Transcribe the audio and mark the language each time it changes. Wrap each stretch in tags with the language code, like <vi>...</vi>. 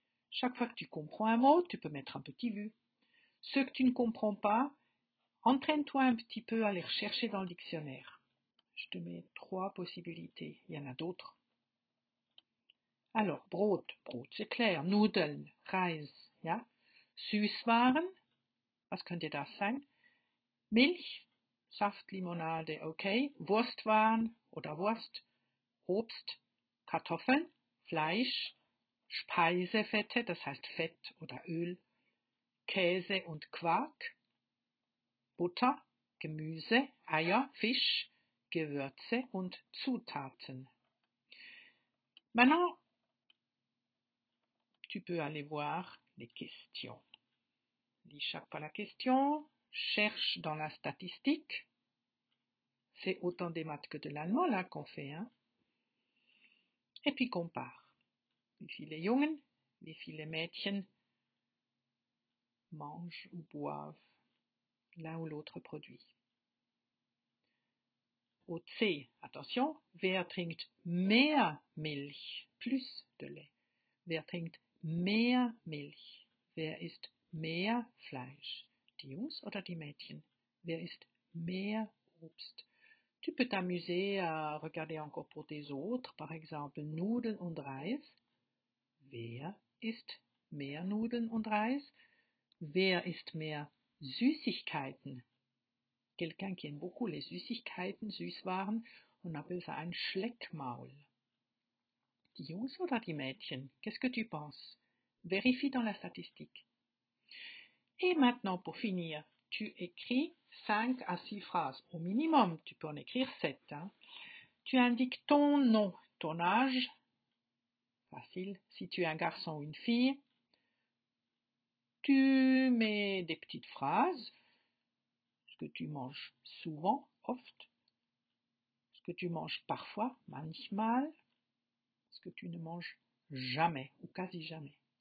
<fr>Chaque fois que tu comprends un mot, tu peux mettre un petit vu. Ceux que tu ne comprends pas, entraîne-toi un petit peu à les rechercher dans le dictionnaire. Je te mets 3 possibilités. Il y en a d'autres. Alors, Brot, Brot, c'est clair.</fr> <de>Nudeln, Reis, ja. Süßwaren, was könnte das sein? Milch, Saft, Limonade, okay. Wurstwaren oder Wurst, Obst, Kartoffeln, Fleisch. Speisefette, das heißt Fett oder Öl, Käse und Quark, Butter, Gemüse, Eier, Fisch, Gewürze und Zutaten.</de> <fr>Maintenant, tu peux aller voir les questions. Lis chaque fois la question, cherche dans la statistique. C'est autant des maths que de l'allemand là qu'on fait, hein? Et puis compare.</fr> <de>Wie viele Jungen, wie viele Mädchen</de> <fr>mangent ou boivent l'un ou l'autre produit. Au C, attention,</fr> <de>wer trinkt mehr Milch,</de> <fr>plus de lait.</fr> <de>Wer trinkt mehr Milch, wer isst mehr Fleisch, die Jungs oder die Mädchen, wer isst mehr Obst.</de> <fr>Tu peux t'amuser à regarder encore pour des autres, par exemple</fr> <de>Nudeln und Reis. Wer isst mehr Nudeln und Reis? Wer isst mehr Süßigkeiten?</de> <fr>Quelqu'un qui aime beaucoup les Süßigkeiten, Süßwaren, on appelle ça ein Schleckmaul.</fr> <de>Die Jungs oder die Mädchen?</de> <fr>Qu'est-ce que tu penses? Vérifie dans la statistique. Et maintenant, pour finir, tu écris 5 à 6 phrases. Au minimum, tu peux en écrire 7. Hein? Tu indiques ton nom, ton âge. Facile, si tu es un garçon ou une fille, tu mets des petites phrases, ce que tu manges souvent, oft, ce que tu manges parfois, manchmal, ce que tu ne manges jamais ou quasi jamais.</fr>